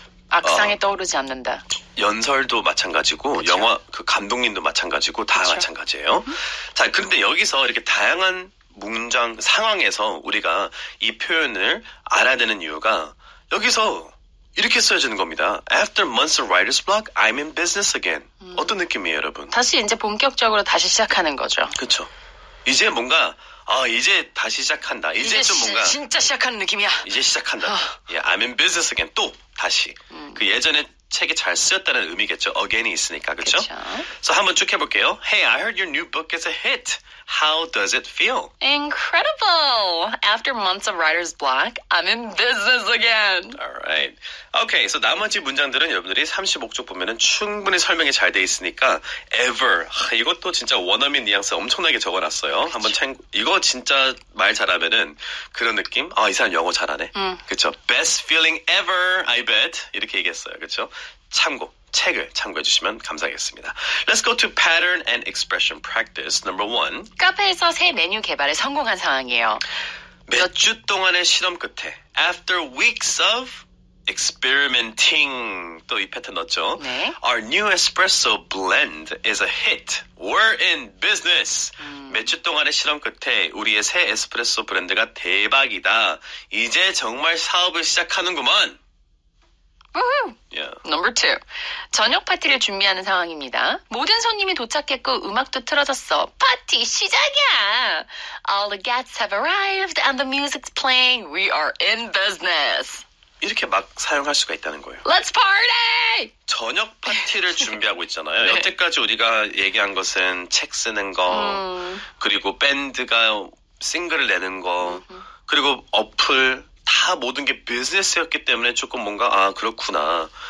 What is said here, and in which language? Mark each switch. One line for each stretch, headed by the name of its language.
Korean: 악상에 떠오르지 않는다. 연설도 마찬가지고 그쵸? 영화 그 감독님도 마찬가지고 다 그쵸? 마찬가지예요. 자, 그런데 여기서 이렇게 다양한 문장 상황에서 우리가 이 표현을 알아야 되는 이유가 여기서 이렇게 써지는 겁니다.
English: After months of writer's block, I'm in business again.
Korean: 어떤 느낌이에요, 여러분? 다시 이제 본격적으로 다시 시작하는 거죠. 그렇죠. 이제 뭔가 이제 다시 시작한다. 이제 좀 뭔가 진짜 시작하는 느낌이야. 이제 시작한다.
English: Yeah, I'm in business again.
Korean: 또 다시. 그 예전에 책이 잘 쓰였다는 의미겠죠. Again이 있으니까. 그렇죠? So 한번 쭉 해볼게요.
English: Hey, I heard your new book is a hit. How does it feel? Incredible. After months of writer's block, I'm in business again.
Korean: Alright. Okay, so 나머지 문장들은 여러분들이 35쪽 보면은 충분히 설명이 잘 돼 있으니까 ever. 이것도 진짜 원어민 뉘앙스 엄청나게 적어놨어요. 그렇죠. 한번 이거 진짜 말 잘하면은 그런 느낌? 이 사람 영어 잘하네. 그렇죠?
English: Best feeling ever, I bet.
Korean: 이렇게 얘기했어요. 그렇죠? 참고. 책을 참고해 주시면 감사하겠습니다.
English: Let's go to pattern and expression practice number one.
Korean: 카페에서 새 메뉴 개발에 성공한 상황이에요. 몇 주 동안의 실험 끝에
English: after weeks of experimenting
Korean: 또 이 패턴 넣었죠. 네.
English: Our new espresso blend is a hit. We're in business.
Korean: 몇 주 동안의 실험 끝에 우리의 새 에스프레소 브랜드가 대박이다. 이제 정말 사업을 시작하는구만.
English: Yeah. Number two.
Korean: 저녁 파티를 준비하는 상황입니다. 모든 손님이 도착했고 음악도 틀어졌어. 파티 시작이야.
English: All the guests have arrived and the music's playing. We are in business.
Korean: 이렇게 막 사용할 수가 있다는 거예요.
English: Let's party!
Korean: 저녁 파티를 준비하고 있잖아요. 네. 여태까지 우리가 얘기한 것은 책 쓰는 거, 그리고 밴드가 싱글을 내는 거, 그리고 어플. 다 모든 게 비즈니스였기 때문에 조금 뭔가 그렇구나.